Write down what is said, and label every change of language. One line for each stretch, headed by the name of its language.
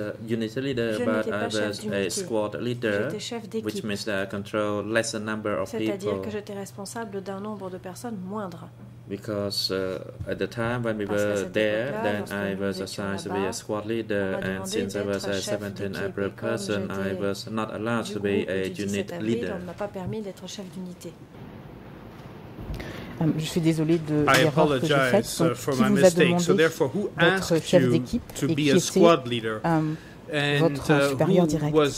English: Unit leader, je but I was a squad leader, which means that I control less a number of
French: c'est-à-dire
English: people.
French: C'est-à-dire que j'étais responsable d'un nombre de personnes moindre.
English: Because at the time when we were there, then I was assigned to be a squad leader, and since I was a 17 April person, I was not allowed to be a unit leader.
French: On m'a pas permis d'être chef d'unité. Je suis désolée de l'erreur que j'ai faite. Donc, qui vous a demandé d'être chef d'équipe et qui était votre supérieur direct?